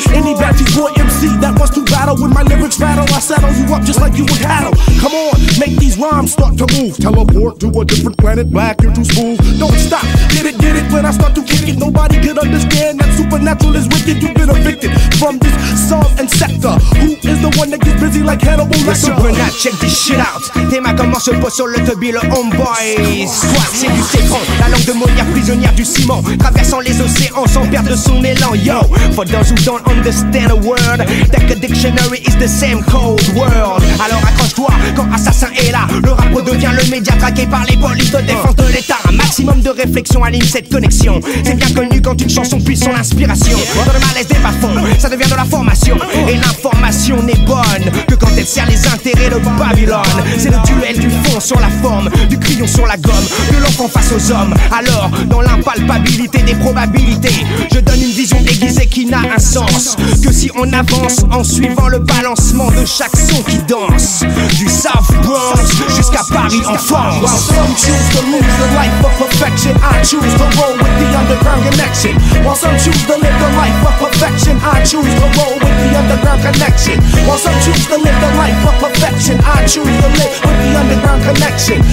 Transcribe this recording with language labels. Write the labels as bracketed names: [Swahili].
[English] Any batty boy MC that wants to battle with my lyrics battle, I saddle you up just like you would cattle. Come on, make these rhymes start to move. Teleport to a different planet, black and too smooth. Don't stop, get it when I start to kick it. Nobody can understand that supernatural is wicked. You've been evicted from this song and sector. Who is the one that gets busy like Hannibal Lecter? Supernatural, check this shit out. [French] T'es ma commence pas sur le tobi, le homeboy. Squat, c'est du sécron. La langue de Molière prisonnière du ciment. Traversant les océans sans perdre son élan. [English] Yo, for those who don't understand a word, that a dictionary is the same cold world. [French] Alors accroche-toi quand assassin est là. Le rap devient le média traqué par les polices de défense de l'état. Un maximum de réflexion anime cette connexion. C'est bien connu quand une chanson puise son inspiration. Dans le malaise des bas-fonds, ça devient de la formation. Et l'information n'est bonne que quand elle sert les intérêts de Babylone. C'est le duel du fond sur la forme, du crayon sur la gomme, de l'enfant face aux hommes. Alors, dans l'impalpabilité des probabilités, je donne une vision déguisée qui n'a un sens que si on avance en suivant le balancement de chaque son qui danse. Du South Bronx jusqu'à jusqu'à Paris en France. [English] While some choose to lose the life of perfection, I choose to roll with the underground connection. While some choose to live the life of perfection, I choose to roll with the underground connection. While some choose to live the life of perfection, I choose to live with the underground connection.